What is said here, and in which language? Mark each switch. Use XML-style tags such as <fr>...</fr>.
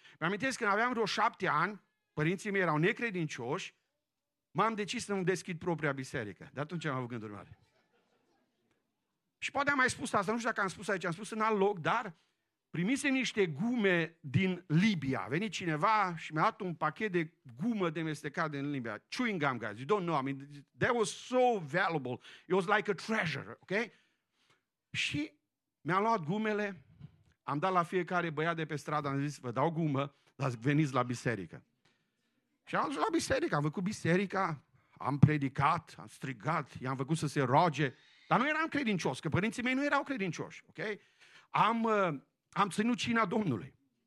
<ro>Mi-amintesc când aveam vreo 7 ani, părinții mei erau necredincioși, m-am decis să-mi deschid propria biserică. De atunci am avut gânduri mari. Și poate am mai spus asta, nu știu dacă am spus aici, am spus în alt loc, dar primisem niște gume din Libia. A venit cineva și mi-a dat un pachet de gumă de mestecat din Libia.</ro> <en>Chewing gum, guys, you don't know, I mean, that was so valuable. It was like a treasure, ok?</en> <ro>Și mi-am luat gumele, am dat la fiecare băiat de pe stradă, am zis, vă dau gumă, dar veniți la biserică. Și am ajuns la biserică, am făcut biserica, am predicat, am strigat, i-am făcut să se roage. Dar nu eram credincios, că părinții mei nu erau credincioși, ok? Am ținut cina Domnului.</ro>